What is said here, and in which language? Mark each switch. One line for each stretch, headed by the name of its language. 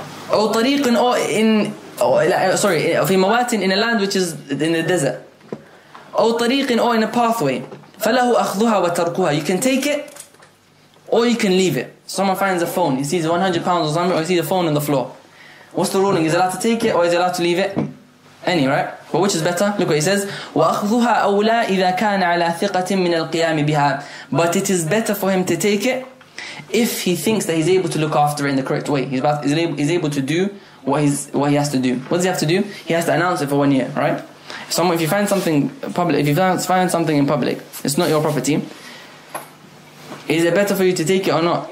Arabic: أو طريق أو
English: in
Arabic: أو لا,
English: sorry,
Arabic: في موات,
English: in a land which is in the desert.
Arabic: أو طريق أو
English: in a pathway.
Arabic: فله أخذها وتركها.
English: You can take it or you can leave it. Someone finds a phone, he sees £100 or something, or he sees a phone on the floor. What's the ruling? Is he allowed to take it or is he allowed to leave it? Any, right? But which is better? Look what he says.
Arabic: وأخذها أولى إذا كان على ثقة من القيام بها.
English: But it is better for him to take it if he thinks that he's able to look after it in the correct way. He's able to do what he has to do. What does he have to do? He has to announce it for 1 year, right? If you find something in public, it's not your property, is it better for you to take it or not?